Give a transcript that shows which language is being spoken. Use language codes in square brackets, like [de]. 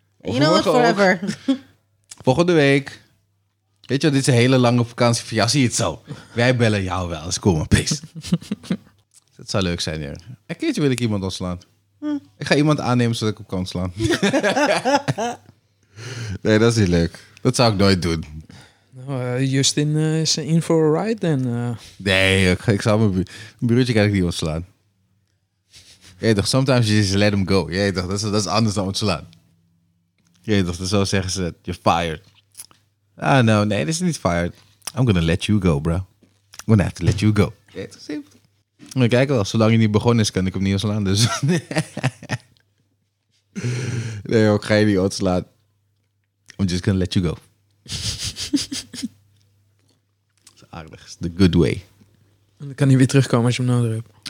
[en] You know it forever. [nl] Volgende week. Weet je, dit is een hele lange vakantie. Ja, zie je het zo. Wij bellen jou wel. Dat is cool, man. Peace. Dat zou leuk zijn, hier. Een keertje wil ik iemand ontslaan. Hm. Ik ga iemand aannemen zodat ik op kan slaan. Nee, dat is niet leuk. Dat zou ik nooit doen. [en] Nou, Justin is in for a ride. [nl] Nee, ik zal mijn broertje kan ik niet ontslaan. Jeetje toch, [en] sometimes you just let him go. [nl] Jeetje toch, dat is anders dan ontslaan. Jeetje toch, zo zeggen ze het. [en] You're fired. Ah, no, nee, this is niet fired. I'm gonna let you go, bro. I'm gonna have to let you go. Yeah, it's simple. [nl] We kijken wel. Zolang hij niet begonnen is, kan ik hem niet ontslaan. Dus. Nee, ook ga je niet ontslaan. [en] I'm just gonna let you go. [nl] Dat is aardig. [en] The good way. [nl] En dan kan hij weer terugkomen als je hem nodig hebt.